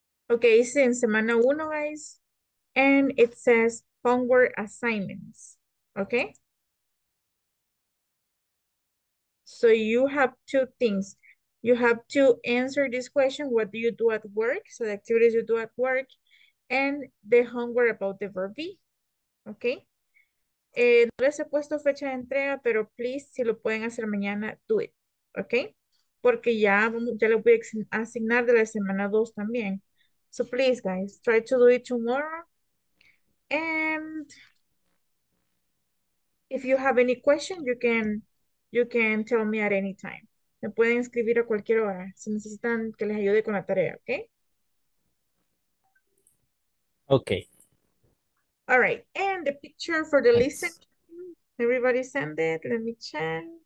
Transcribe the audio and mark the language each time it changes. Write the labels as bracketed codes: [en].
[en] Okay, it's in [es] semana uno, [en] guys. And it says homework assignments. Okay? So you have two things. You have to answer this question, what do you do at work? So the activities you do at work and the homework about the verb be. Okay? [es] No les he puesto fecha de entrega, pero [en] please, [es] si lo pueden hacer mañana, [en] do it. Okay? [es] Porque ya, ya lo voy a asignar de la semana dos también. [en] So please, guys, try to do it tomorrow. And if you have any question, you can tell me at any time. [es] Me pueden escribir a cualquier hora si necesitan que les ayude con la tarea, okay? [en] Okay. All right. And the picture for the listen. Everybody send it. Let me check.